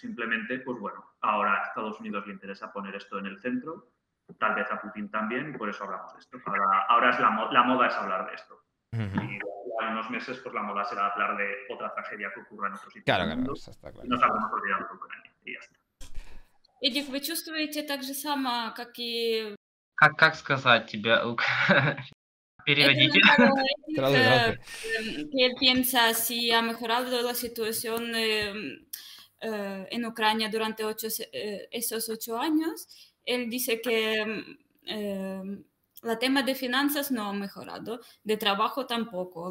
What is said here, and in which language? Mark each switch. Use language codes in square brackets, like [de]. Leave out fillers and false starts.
[es] Simplemente, pues bueno, ahora a Estados Unidos le interesa poner esto en el centro, tal vez a Putin también, y por eso hablamos de esto. Ahora es la moda es hablar de esto. Uh-huh. Y en unos meses, pues la moda será hablar de otra tragedia que ocurra en otros sitios. Claro, claro, eso está claro. Y nos habremos olvidado de Ucrania y ya está. [ru] Эдик, вы чувствуете так же само, как и... Как сказать тебе? Переводите. [es] Que él piensa si ha mejorado la situación en Ucrania durante esos 8 años. Él dice que la tema de finanzas no ha mejorado, de trabajo tampoco.